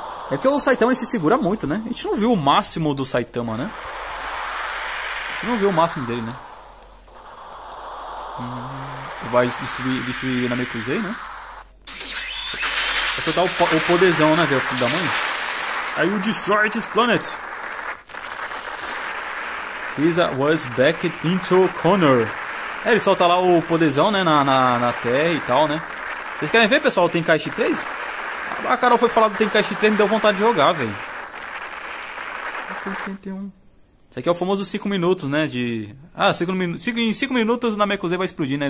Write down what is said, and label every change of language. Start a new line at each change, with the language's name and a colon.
Portuguese: É que o Saitama ele se segura muito, né? A gente não viu o máximo do Saitama, né? A gente não viu o máximo dele, né? Vai destruir na Namekusei, né? Vai soltar o poderzão, né, velho? Filho da mãe.
English: I will destroy this planet. Frieza was backed into corner.
Portuguese: É, ele solta lá o poderzão, né? Na Terra e tal, né? Vocês querem ver, pessoal, o Tenkaichi 3? A Carol foi falar do Tenkaichi 3, me deu vontade de jogar, velho. Esse aqui é o famoso 5 minutos, né? De. Ah, cinco minu... cinco... em 5 minutos o Namekusei vai explodir, né?